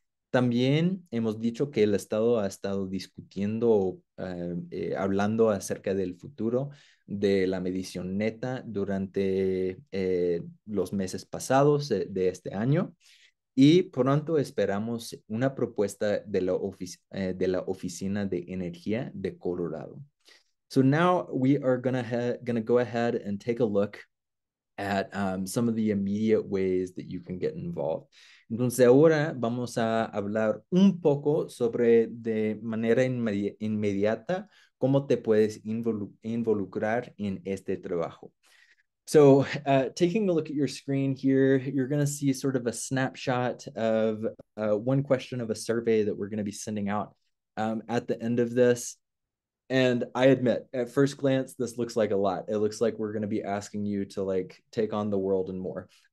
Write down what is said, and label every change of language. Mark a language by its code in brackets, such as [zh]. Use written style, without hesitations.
[es] También hemos dicho que el Estado ha estado discutiendo o hablando acerca del futuro de la medición neta durante los meses pasados de este año. Y pronto esperamos una propuesta de la Oficina de Energía de Colorado. [en] So now we are gonna go ahead and take a look at some of the immediate ways that you can get involved. [es] Entonces ahora vamos a hablar un poco sobre de manera inmediata cómo te puedes involucrar en este trabajo. [en] So taking a look at your screen here, you're going to see sort of a snapshot of one question of a survey that we're going to be sending out at the end of this. And I admit, at first glance, this looks like a lot. It looks like we're going to be asking you to like take on the world and more.